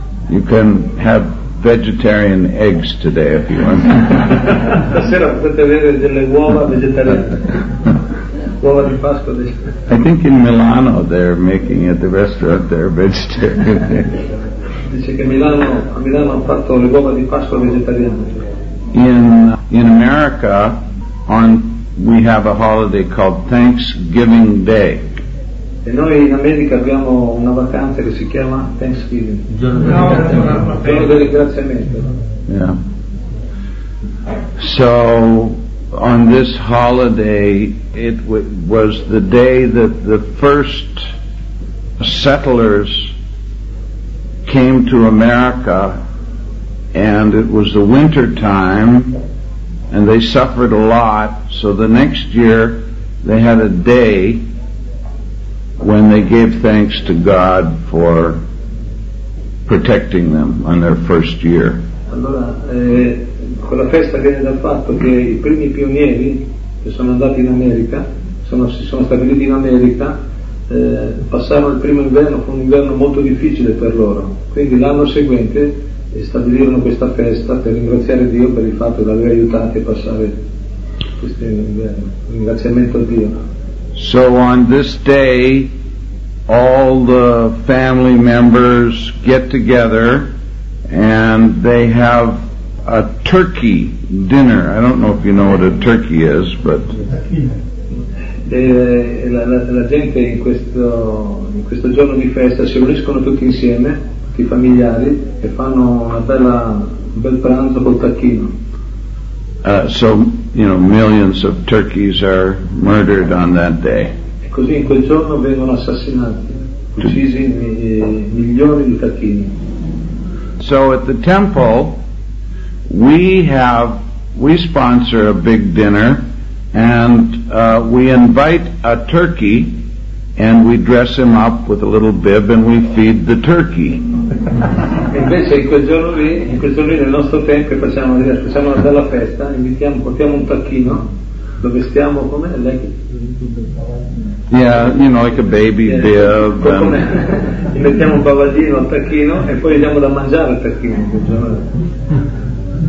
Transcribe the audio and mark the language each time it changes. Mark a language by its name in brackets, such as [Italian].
[English] You can have vegetarian eggs today if you want. [Italian] Stasera potete avere delle uova vegetariane. Uova di Pasqua. [English] I think in Milano they're making at the restaurant they're vegetarian. [Italian] Dice che a Milano hanno fatto le uova di Pasqua vegetariane. [English] In America, we have a holiday called Thanksgiving Day. [Italian] E noi in America abbiamo una vacanza che si chiama Thanksgiving. Giorno del ringraziamento. [English] Yeah. So on this holiday it was the day that the first settlers came to America, and it was the winter time and they suffered a lot, so the next year they had a day when they gave thanks to God for protecting them on their first year. [Italian] Allora, quella festa viene dal fatto che i primi pionieri che sono andati in America, si sono stabiliti in America, passarono il primo inverno, fu un inverno molto difficile per loro. Quindi l'anno seguente stabilirono questa festa per ringraziare Dio per il fatto di aver aiutato a passare questo inverno. Ringraziamento a Dio. [English] So on this day, all the family members get together and they have a turkey dinner. I don't know if you know what a turkey is, but... [Italian] La gente in questo giorno di festa si uniscono tutti insieme, tutti i familiari, e fanno un bel pranzo col tacchino. [English] So, you know, millions of turkeys are murdered on that day. [Italian] così in quel giorno vengono assassinati, uccisi milioni di cattivi. [English] So at the temple we sponsor a big dinner, and we invite a turkey, and we dress him up with a little bib, and we feed the turkey. [Italian] Invece in quel giorno lì nel nostro tempio facciamo una bella festa, invitiamo, portiamo un tacchino, lo vestiamo come lei. [English] Yeah, you know, like a baby bib. [Italian] Gli mettiamo un bavaglino al tacchino e poi gli diamo da mangiare al tacchino in quel giorno.